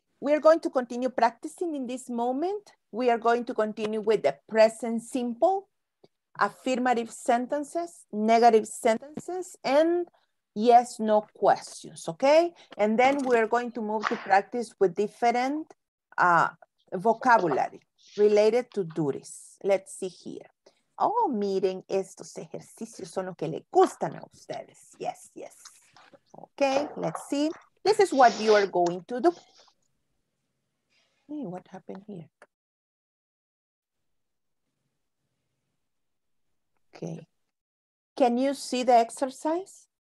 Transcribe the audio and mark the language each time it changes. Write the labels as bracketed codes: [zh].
[en] We're going to continue practicing in this moment. We are going to continue with the present simple, affirmative sentences, negative sentences, and yes, no questions, okay? And then we're going to move to practice with different vocabulary related to duties. Let's see here. [es] Oh, miren, estos ejercicios son los que les gustan a ustedes. [en] Yes, yes. Okay, let's see. This is what you are going to do. Hey, what happened here? Okay. Can you see the exercise?